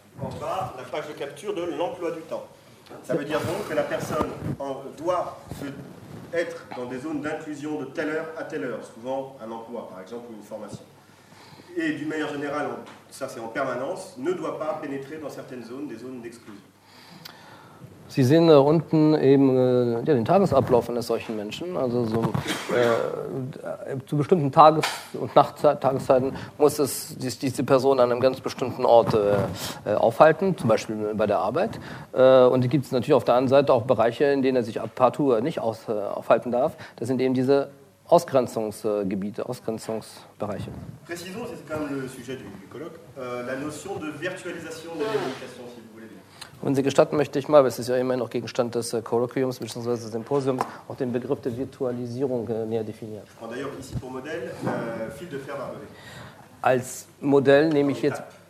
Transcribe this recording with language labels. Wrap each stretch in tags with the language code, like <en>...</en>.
<fr>La page de capture de l'emploi du temps. Ça veut dire donc que la personne doit être dans des zones d'inclusion de telle heure à telle heure, souvent un emploi, par exemple, ou une formation. Et d'une manière générale, ça c'est en permanence, ne doit pas pénétrer dans certaines zones, des zones d'exclusion.</fr> <de>Sie sehen da unten eben ja, den Tagesablauf eines solchen Menschen. Also so, zu bestimmten Tages- und Nachttageszeiten muss es diese Person an einem ganz bestimmten Ort aufhalten, zum Beispiel bei der Arbeit. Und es gibt natürlich auf der anderen Seite auch Bereiche, in denen er sich partout nicht aufhalten darf. Das sind eben diese Ausgrenzungsgebiete, Ausgrenzungsbereiche.</de> <fr>Précisons, c'est quand même le sujet du colloque, la notion de virtualisation de la communication, si vous voulez bien.</fr> <de>Wenn Sie gestatten, möchte ich mal, es ist ja immerhin noch Gegenstand des Kolloquiums bzw. des Symposiums, auch den Begriff der Virtualisierung näher definieren. Und</de> <fr>d'ailleurs, ici pour modèle, fil de fer à relais.</fr> <de>Als Modell nehme ich jetzt.</de>